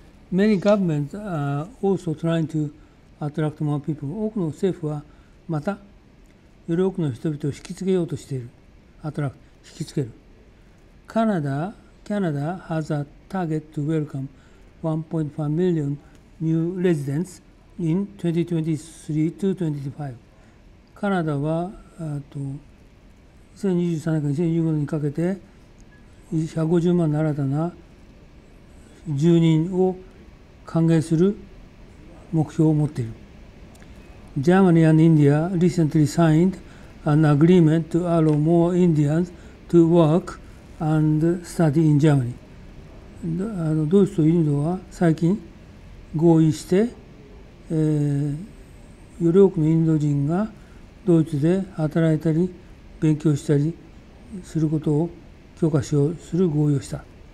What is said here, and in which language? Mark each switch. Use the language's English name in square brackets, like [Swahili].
[English] Many governments are also trying to attract more people. [Japanese] 多くの政府はまたより多くの人々を引きつけようとしている。 [English] Attract 引きつける。Canada has a target to welcome 1.5 million new residents in 2023 to 2025. [Japanese] カナダは2023年から2025年にかけて150万の新たな住人を歓迎する目標を持っている。 [English] Germany and India recently signed an agreement to allow more Indians to work and study in Germany. [Japanese] ドイツとインドは最近合意して、より多くのインド人がドイツで働いたり勉強したりすることを許可しようする合意をした。